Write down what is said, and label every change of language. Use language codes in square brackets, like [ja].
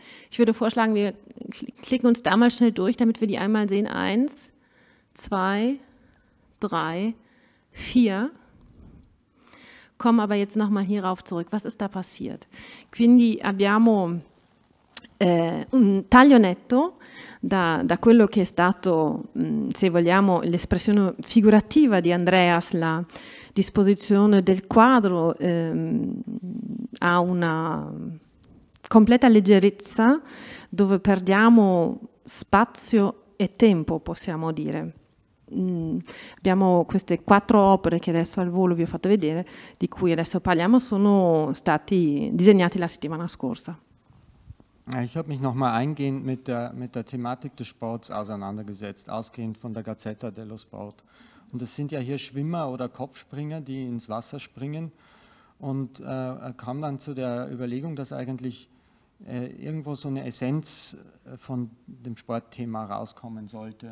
[de] Ich würde vorschlagen, wir klicken uns da mal schnell durch, damit wir die einmal sehen. Eins, zwei, drei, vier. Kommen aber jetzt nochmal hierauf zurück. Was ist da passiert? [it] Quindi abbiamo un taglio netto da, da quello che è stato, se vogliamo, l'espressione figurativa di Andreas, la disposizione del quadro a una completa leggerezza dove perdiamo spazio e tempo, possiamo dire. Abbiamo queste quattro opere che adesso al volo vi ho fatto vedere, di cui adesso parliamo, sono stati disegnati la settimana scorsa. [de] Ich habe mich noch mal eingehend mit der Thematik des Sports auseinandergesetzt, ausgehend von der Gazzetta dello Sport. Und es sind ja hier Schwimmer oder Kopfspringer, die ins Wasser springen. Und kam dann zu der Überlegung, dass eigentlich irgendwo so eine Essenz von dem Sportthema rauskommen sollte.